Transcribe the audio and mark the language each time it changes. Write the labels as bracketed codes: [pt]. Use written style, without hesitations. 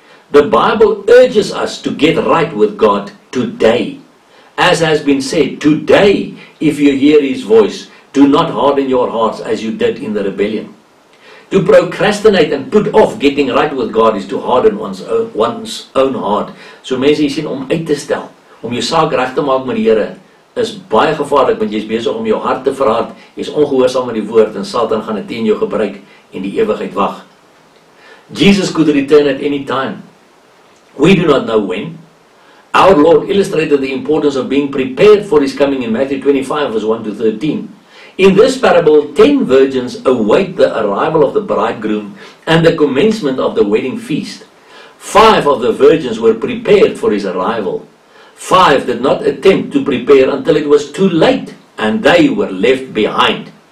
[en] The Bible urges us to get right with God today. As has been said, today, if you hear His voice, do not harden your hearts as you did in the rebellion. To procrastinate and put off getting right with God is to harden one's own heart. [af] So mense, jy sien, om uit te stel, om jou saak reg te maak met die Here, is baie gevaarlik, want jy is besig om jou hart te verhard, jy is ongehoorsaam met die woord, en Satan gaan dit teen jou gebruik, en die ewigheid wag. [en] Jesus could return at any time. We do not know when. Our Lord illustrated the importance of being prepared for His coming in Matthew 25 verse 1 to 13. In this parable, 10 virgins await the arrival of the bridegroom and the commencement of the wedding feast. 5 of the virgins were prepared for His arrival. 5 did not attempt to prepare until it was too late and they were left behind.